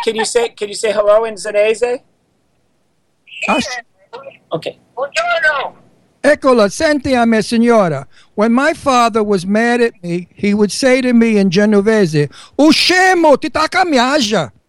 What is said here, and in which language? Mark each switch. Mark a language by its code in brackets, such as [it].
[en] Can you say hello in Zanese? Yes. Okay. [it] Buongiorno. Eccola, senti a me, signora. [en] When my father was mad at me, he would say to me in Genovese, [lij] Uscemo, ti tacca mi aja.